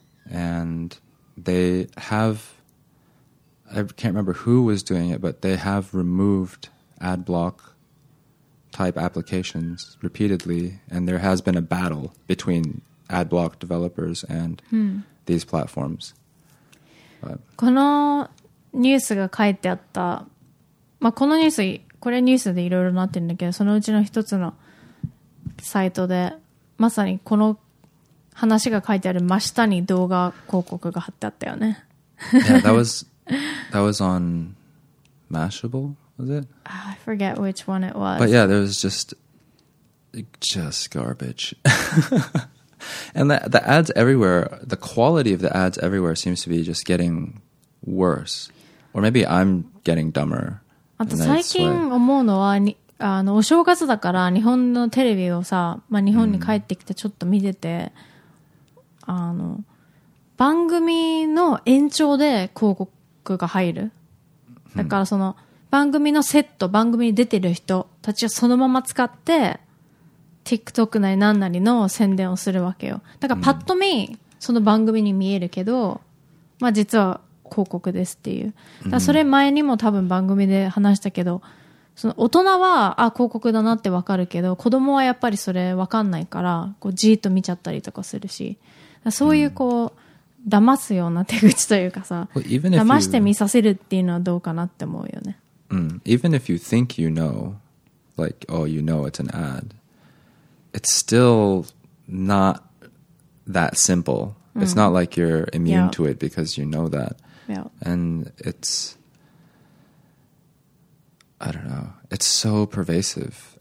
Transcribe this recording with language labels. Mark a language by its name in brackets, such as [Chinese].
[English] And they have, I can't remember who was doing it, but they have removed ad block type applications repeatedly. And there has been a battle between ad block developers and these platforms. [Japanese] このニュースが書いてあった、まあ、このニュースこれニュースでいろいろなってるんだけど、そのうちの一つのサイトでまさにこの話が書いてある真下に動画広告が貼ってあったよね。 [English] Yeah, that was on Mashable, was it? I forget which one it was. But yeah, there was just garbage. And the ads everywhere, the quality of the ads everywhere seems to be just getting worse. Or maybe I'm getting dumber. [Japanese] あと最近思うのは、あのお正月だから日本のテレビをさ、まあ、日本に帰ってきてちょっと見てて、あの番組の延長で広告が入る。だからその番組のセット、番組に出てる人たちをそのまま使って TikTok なり何なりの宣伝をするわけよ。だからパッと見その番組に見えるけど、まあ実は広告ですっていう。だそれ前にも多分番組で話したけど、その大人はあ広告だなって分かるけど、子供はやっぱりそれ分かんないからこうじーっと見ちゃったりとかするし、だそういうこう、騙すような手口というかさ、騙して見させるっていうのはどうかなって思うよね。 [English] Even if you think you know, like, oh, you know it's an ad, it's still not that simple. It's not like you're immune to it because you know that. Yeah. And it's, I don't know, it's so pervasive.